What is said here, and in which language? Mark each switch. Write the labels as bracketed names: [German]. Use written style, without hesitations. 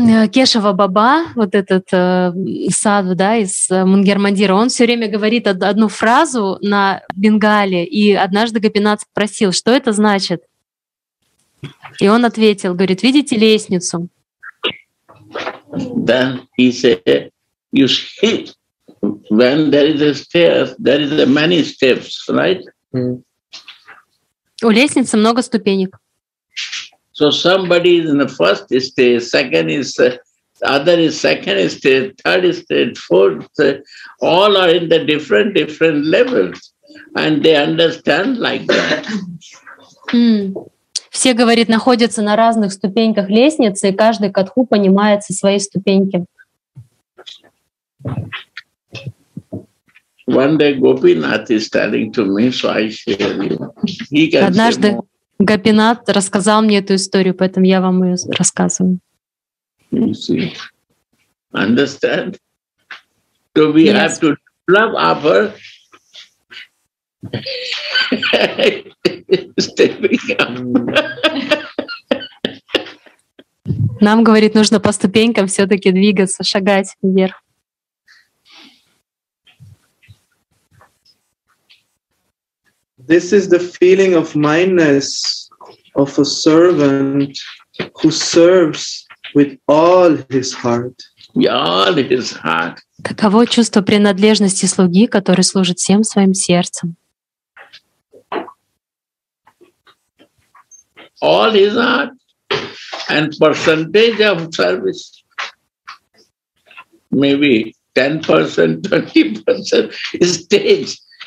[Russian] Кешава Баба, вот этот садху, да, из Мунгер-Мандира, он все время говорит одну фразу на бенгале, и однажды Гопинат спросил, что это значит? И он ответил, говорит, видите лестницу? [English] Да, he said, you see, when there is a stairs, there is many steps, right? [Russian] У лестницы много ступенек. [English] So somebody is in the first stage, second is other is second stage, third stage, fourth. All are in the different levels, and they understand like that. Mm. [Russian] Все говорит находятся на разных ступеньках лестницы, и каждый катху понимает со своей ступеньки. [English] One day Gopinath is telling to me, so I share you. He can [Russian] Однажды. [English] Say more. [Russian] Гопинат рассказал мне эту историю, поэтому я вам ее рассказываю. [English] Understand? So we yes. have to develop our stepping up. [Russian] Нам, говорит, нужно по ступенькам все-таки двигаться, шагать вверх. [English] This is the feeling of mindness of a servant who serves with all his heart. All his heart. [Russian] Каково чувство принадлежности слуги, который служит всем своим сердцем? [English] All his heart and percentage of service. Maybe 10%, 20% stage.